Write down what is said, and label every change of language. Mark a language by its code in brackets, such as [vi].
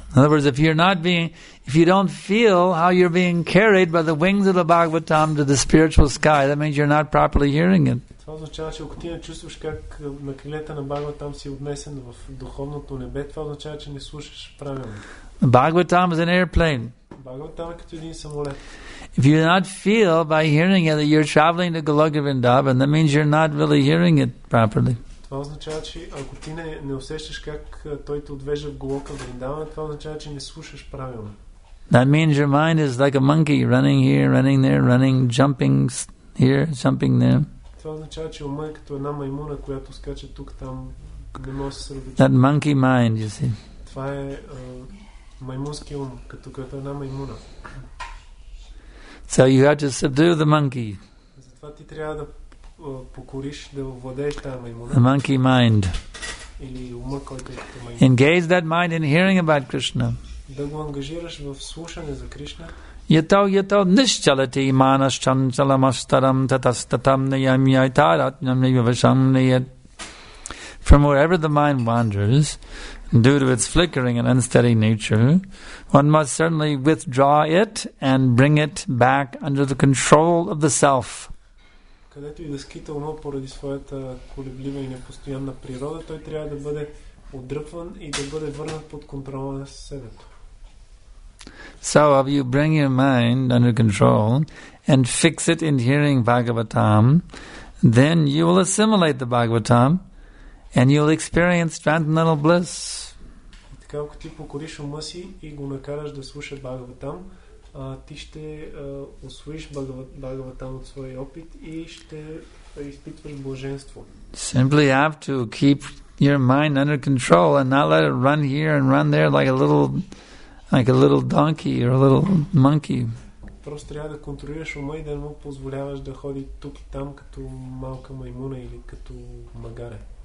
[en] In other words, if you don't feel how you're being carried by the wings of the Bhagavatam to the spiritual sky, that means you're not properly hearing it. [bg] Това означава, че ако ти не чувстваш как на крилета на Бхагаватам си отнесен в духовното небе, това означава, че не слушаш правилно. [en] Bhagavatam is an airplane. [bg] Bhagavatam е като един самолет. [en] If you do not feel by hearing it that you're traveling to Goloka Vrindavan, that means you're not really hearing it properly. [bg] Това означава, че ако ти не усещаш как той те отвежда в Голока Вриндаван, това означава, че не слушаш правилно. [en] That means your mind is like a monkey, running here, running there, running, jumping here, jumping there. [bg] Това означава, че умът е като една маймуна, която скача тук, там, не може да се сърдечи. [en] That monkey mind, you see. [bg] Това е маймунски ум, като една маймуна. [en] So you have to subdue the monkey. [bg] Затова ти трябва да покориш, да овладееш тази маймуна. [en] The monkey mind. [bg] Или ума, който е като маймуна. [en] Engage that mind in hearing about Krishna. [bg] Да го ангажираш в слушане за Кришна. [sa] Yato nishchalati manas chanchalam astaram tatastatam niyam yaitaratnam yuvasham niyat. [en] From wherever the mind wanders, due to its flickering and unsteady nature, one must certainly withdraw it and bring it back under the control of the self. [bg] Където и да скита ума поради своята колеблива и непостоянна природа, той трябва да бъде отдръпван и да бъде върнат под контрола на себето. [en] So if you bring your mind under control and fix it in hearing Bhagavatam, then you will assimilate the Bhagavatam and you'll experience transcendental bliss. [bg] Така, ако ти покориш ума си и го накараш да слуша Бхагаватам, ти ще усвоиш Бхагаватам от своя опит и ще изпитваш блаженство. [en] Simply have to keep your mind under control and not let it run here and run there like a little donkey or a little monkey. [bg] Просто трябва да контролираш ума и да не му позволяваш да ходи тук и там като малка маймуна или като магаре.